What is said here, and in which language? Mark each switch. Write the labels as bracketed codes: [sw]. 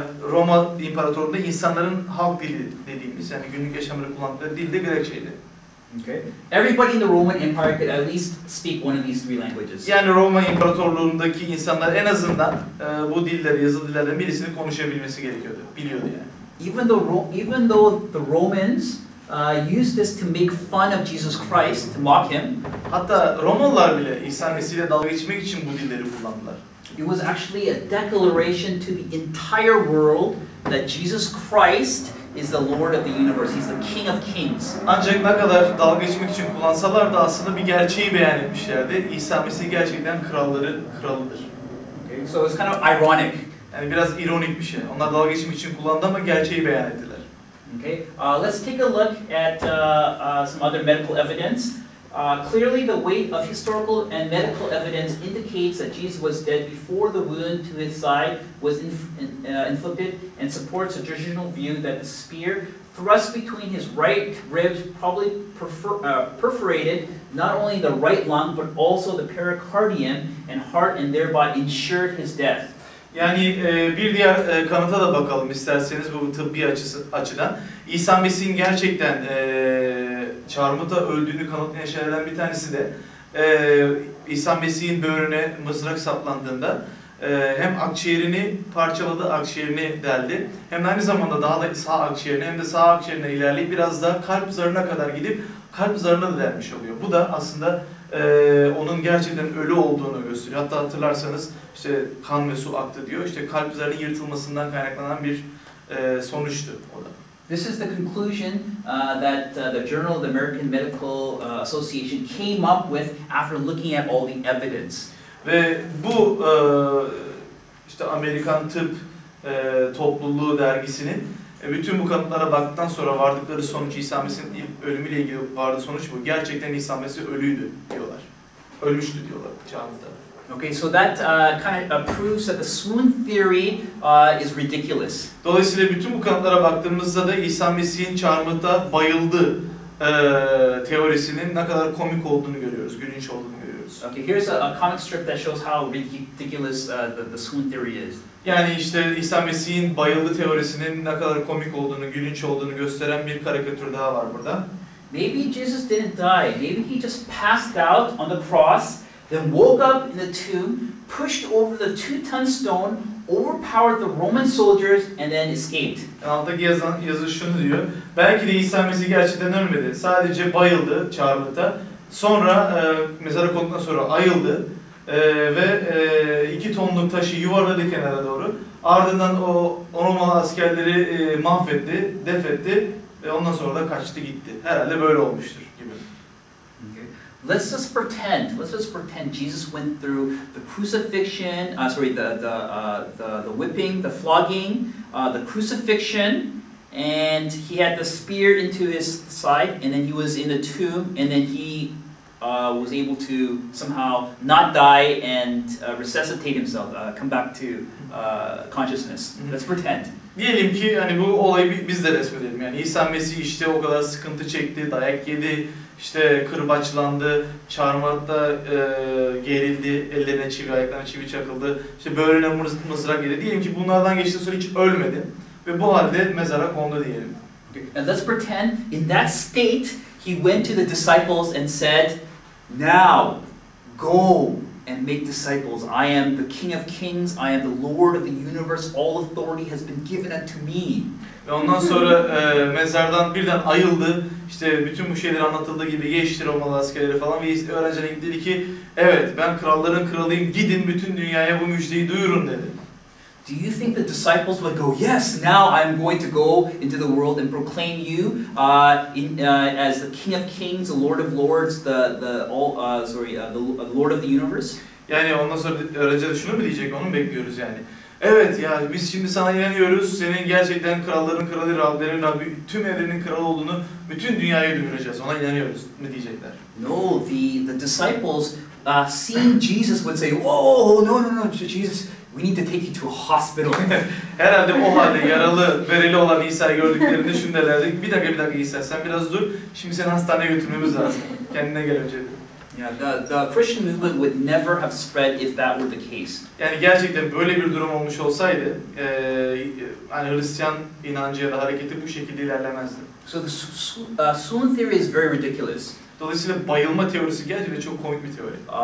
[tr] Roma İmparatorluğu'nda insanların halk dili dediğimiz yani günlük yaşamını kullandığı dil de Grekçeydi. [en] Okay. Everybody in the Roman Empire could at least speak one of these three languages. [tr] Yani Roma İmparatorluğu'ndaki insanlar en azından bu dilleri, yazılı dillerden birisini konuşabilmesi gerekiyordu. Biliyordu yani. [en] Even though the Romans used this to make fun of Jesus Christ, to mock him. [tr] Hatta Romalılar bile İsa Mesih'le dalga geçmek için bu dilleri kullandılar. [en] It was actually a declaration to the entire world that Jesus Christ is the Lord of the universe. He's the King of Kings. [tr] Ancak ne kadar dalga geçmek için kullansalar da aslında bir gerçeği beyan etmişlerdi. İsa Mesih gerçekten kralların kralıdır. [en] Okay, so it's kind of ironic. [tr] Yani biraz ironik bir şey. Onlar dalga geçmek için kullandı ama gerçeği beyan ettiler. [en] Okay, let's take a look at some other medical evidence. Clearly, the weight of historical and medical evidence indicates that Jesus was dead before the wound to his side was inflicted and supports a traditional view that the spear thrust between his right ribs probably perforated not only the right lung, but also the pericardium and heart, and thereby ensured his death. [tr] Yani bir diğer kanıta da bakalım isterseniz bu tıbbi açıdan. İsa Mesih'in gerçekten çarmıhta öldüğünü kanıtlayan şeylerden bir tanesi de İsa Mesih'in böğrüne mızrak saplandığında hem akciğerini parçaladı, akciğerini deldi. Hem aynı zamanda daha da sağ akciğerini hem de sağ akciğerine ilerleyip biraz daha kalp zarına kadar gidip kalp zarına da delmiş oluyor. Bu da aslında onun gerçekten ölü olduğunu gösteriyor. Hatta hatırlarsanız işte kan ve su aktı diyor. İşte kalp zarının yırtılmasından kaynaklanan bir sonuçtu o da. [en] This is the conclusion that the Journal of the American Medical Association came up with after looking at all the evidence. [tr] Ve bu işte Amerikan Tıp Topluluğu dergisinin bütün bu kanıtlara baktıktan sonra vardıkları sonuç İsa Mesih'in ölümüyle ilgili vardı sonuç bu. Gerçekten İsa Mesih ölüydü diyorlar. Ölmüştü diyorlar çağımızda. [en] Okay, so that kind of proves that the swoon theory is ridiculous. [tr] Dolayısıyla bütün bu kanıtlara baktığımızda da İsa Mesih'in çarmıhta bayıldı teorisinin ne kadar komik olduğunu görüyoruz, gülünç olduğunu görüyoruz. [en] Okay, here's a comic strip that shows how ridiculous the swoon theory is. [tr] Yani işte İsa Mesih'in bayıldı teorisinin ne kadar komik olduğunu, gülünç olduğunu gösteren bir karikatür daha var burada. [en] Maybe Jesus didn't die. Maybe he just passed out on the cross. Then woke up in the tomb, pushed over the 2-ton stone, overpowered the Roman soldiers, and then escaped. [tr] Altındaki yazı şunu diyor. Belki de İsa Mesih gerçekten ölmedi. Sadece bayıldı çarmıhta. Sonra mezarı konduktan sonra ayıldı. Ve 2 tonluk taşı yuvarladı kenara doğru. Ardından o Romalı askerleri mahvetti, def etti. Ve ondan sonra da kaçtı gitti. Herhalde böyle olmuştur. [en] Let's just pretend Jesus went through the crucifixion, the whipping, the flogging, the crucifixion, and he had the spear into his side, and then he was in the tomb, and then he was able to somehow not die and resuscitate himself, come back to consciousness. Mm-hmm. Let's pretend. [tr] Diyelim ki hani bu olayı biz de resmedelim. Yani İsa Mesih işte o kadar sıkıntı çekti, dayak yedi, işte kırbaçlandı, çarmıhta gerildi, ellerine çivi, ayaklarına çivi çakıldı, işte böğrüne mızrak yedi. Diyelim ki bunlardan geçti sonra hiç ölmedi ve bu halde mezara kondu diyelim. [en] And let's pretend in that state he went to the disciples and said, "Now go and make disciples. I am the King of Kings. I am the Lord of the universe. All authority has been given unto me." [tr] Ve ondan sonra mezardan birden ayıldı. İşte bütün bu şeyler anlatıldığı gibi geçti Romalı askerleri falan. Ve öğrencilere gitti dedi ki, evet ben kralların kralıyım. Gidin bütün dünyaya bu müjdeyi duyurun dedi. [en] Do you think the disciples would go, yes, now I'm going to go into the world and proclaim you as the King of Kings, the Lord of Lords, the Lord of the Universe? [tr] Yani ondan sonra öğrenciler şunu mu diyecek, onu mu bekliyoruz yani? Evet ya biz şimdi sana inanıyoruz, senin gerçekten kralların kralı, Rablerin Rabbi, tüm evrenin kralı olduğunu bütün dünyaya duyuracağız, ona inanıyoruz mu diyecekler? [en] No, the disciples seeing Jesus would say, whoa, no, Jesus. We need to take you to a hospital. [tr] Herhalde o halde yaralı, verili olan İsa'yı gördüklerinde şunu derlerdi. Bir dakika İsa, sen biraz dur. Şimdi seni hastaneye götürmemiz lazım. Kendine gel önce. [en] Yeah, the Christian movement would never have spread if that were the case. [tr] Yani gerçekten böyle bir durum olmuş olsaydı, hani Hristiyan inancı ya da hareketi bu şekilde ilerlemezdi. [en] So the swoon theory is very ridiculous. [tr] Dolayısıyla bayılma teorisi gerçekten çok komik bir teori.